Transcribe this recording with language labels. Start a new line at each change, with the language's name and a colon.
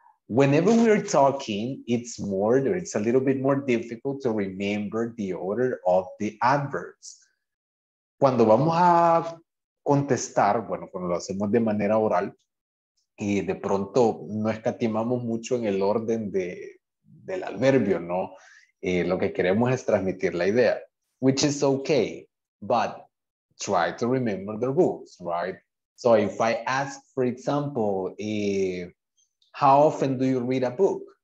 English: Whenever we're talking, it's a little bit more difficult to remember the order of the adverbs.
Spanish: Cuando vamos a contestar, bueno, cuando lo hacemos de manera oral, y de pronto no escatimamos mucho en el orden del adverbio, ¿no? Lo que queremos es transmitir la idea,
English: which is okay, but try to remember the rules, right? So if I ask, for example, how often do you read a book?